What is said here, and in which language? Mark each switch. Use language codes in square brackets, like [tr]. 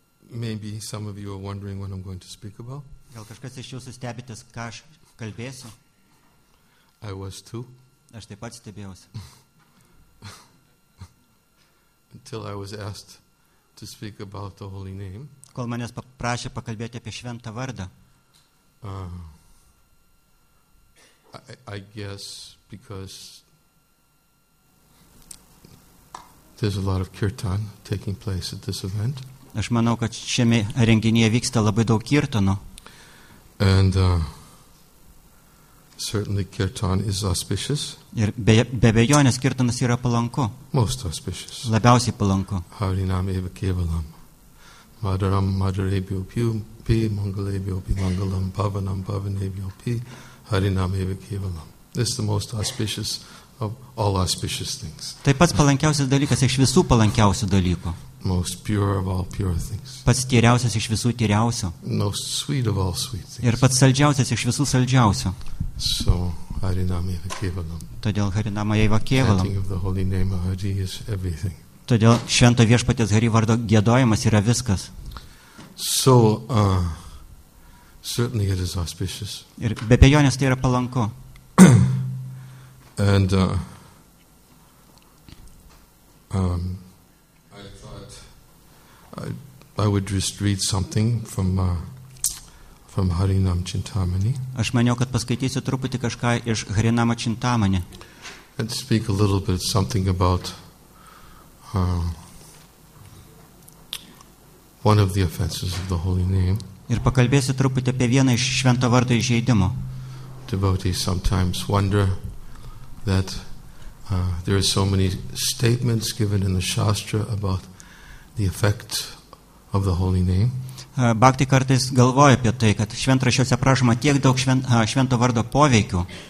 [en] Maybe some of you are wondering what I'm going to speak about. [lt] Gal kažkas iš jūsų stebitės, ką aš kalbėsiu. [en] I was too. [lt] Aš taip pat stebėjausi. [en] Until I was asked to speak about the holy name. [lt] Kol manęs paprašė pakalbėti apie šventą vardą. [en] I guess because there's a lot of kirtan taking place at this event. [lt] Aš manau, kad šiame renginyje vyksta labai daug kirtano. [en] And certainly kirtan is auspicious. [lt] Ir be abejonės kirtanas yra palanku. [en] Most auspicious. [lt] Labiausiai palanku. [sa] Harinam eva kevalam. Madaram madarebhyopi mangalebhyopi mangalam bhavanam bhavanebhyopi harinam eva kevalam. [en] This is the most auspicious of all auspicious things. [lt] Tai pats palankiausias dalykas iš visų palankiausių dalykų. [en] Most pure of all pure things. [lt] Pats tyriausias iš visų tyriausio. [en] Most sweet of all sweet things. [lt] Ir pats saldžiausias iš visų saldžiausio. [en] So, harinam eva kevalam. [lt] Todėl harinam eva kevalam. [en] Chanting of the holy name of Hari is everything. [lt] Todėl švento viešpaties Hari vardo giedojimas yra viskas. [en] So, certainly it is auspicious. [lt] Ir be abejonės tai yra palanku. [en] And, I would just read something from Harinam Chintamani. [lt] Aš maniau, kad paskaitysiu truputį kažką iš Harinama Chintamani. [en] And speak a little bit something about one of the offenses of the holy name. [lt] Ir pakalbėsiu truputį apie vieną iš švento vardo įžeidimo. [en] Devotees sometimes wonder that there are so many statements given in the Shastra about the effect of the holy name. [lt] Bhakti kartais galvoja apie tai, kad šventraščiuose prašoma tiek daug švento vardo poveikių.